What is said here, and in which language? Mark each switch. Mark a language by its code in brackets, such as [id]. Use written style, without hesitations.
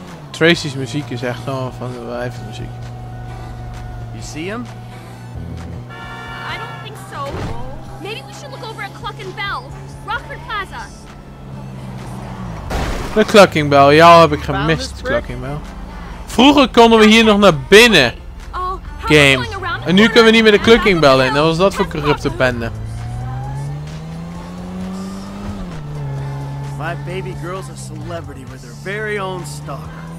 [nl] Tracy's muziek is echt gewoon van de wijven muziek. [en] You see him? I don't think so. Maybe we should look over at Cluck and Bell. Rockford Plaza. [nl] De Clucking Bell, jou heb ik gemist, de Clucking Bell. Vroeger konden we hier nog naar binnen. Game. En nu kunnen we niet meer de Clucking Bell in. Wat was dat voor corrupte bende? [en] My baby girl's a celebrity with her very own stalker.